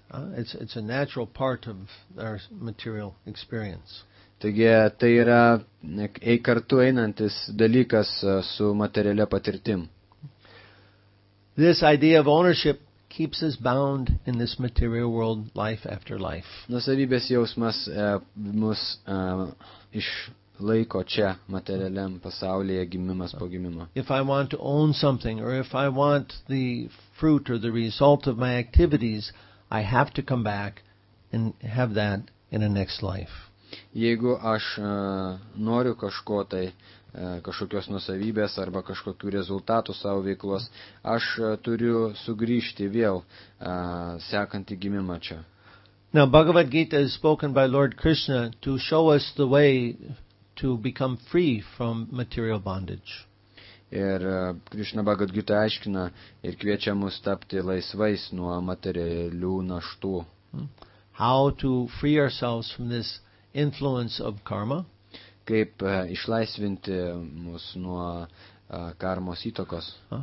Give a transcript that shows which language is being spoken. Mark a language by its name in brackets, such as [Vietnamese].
[English] It's a natural part of our material experience. [Lithuanian] Taigi, tai yra kartu einantis dalykas su materialia patirtim. [English] This idea of ownership keeps us bound in this material world life after life. [Lithuanian] Nusavybės jausmas mus iš laiko čia materialiam pasaulyje gimimas po gimimo. [English] If I want to own something or if I want the fruit or the result of my activities, I have to come back and have that in a next life. [Lithuanian] Jeigu aš noriu kažko, tai kažkokios nusavybės arba kažkokių rezultatų savo veiklos, aš turiu sugrįžti vėl sekantį gimimą čia. [English] Now Bhagavad Gita is spoken by Lord Krishna to show us the way to become free from material bondage. [Lithuanian] Ir Krishna Bhagavad Gita aiškina ir kviečia mus tapti laisvais nuo materialių naštų. [English] How to free ourselves from this influence of karma? [Lithuanian] Kaip išlaisvinti mus nuo karmos įtakos?